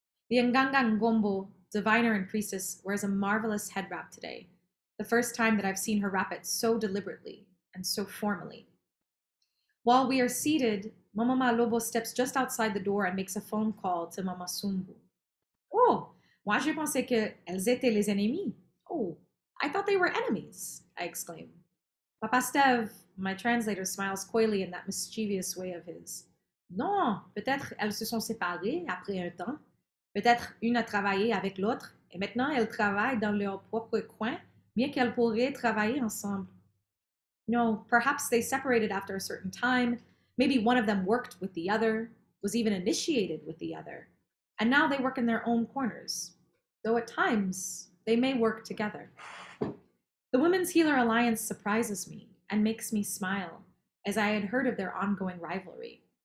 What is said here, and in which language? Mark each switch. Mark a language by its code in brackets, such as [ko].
[en] The Nganga Ngombo, diviner and priestess, wears a marvelous head wrap today, the first time that I've seen her wrap it so deliberately and so formally. While we are seated, Mama Malobo steps just outside the door and makes a phone call to Mama Sumbu. [fr] Oh, moi je pensais que elles étaient les ennemis. [en] Oh, I thought they were enemies, I exclaim. Papa Steve, my translator, smiles coyly in that mischievous way of his. [fr] Non, peut-être elles se sont séparées après un temps. Peut-être une a travaillé avec l'autre et maintenant elles travaillent dans leur propre coin, bien qu'elles pourraient travailler ensemble. [en] No, perhaps they separated after a certain time. Maybe one of them worked with the other, was even initiated with the other, and now they work in their own corners, though at times they may work together. The Women's Healer Alliance surprises me and makes me smile, as I had heard of their ongoing rivalry.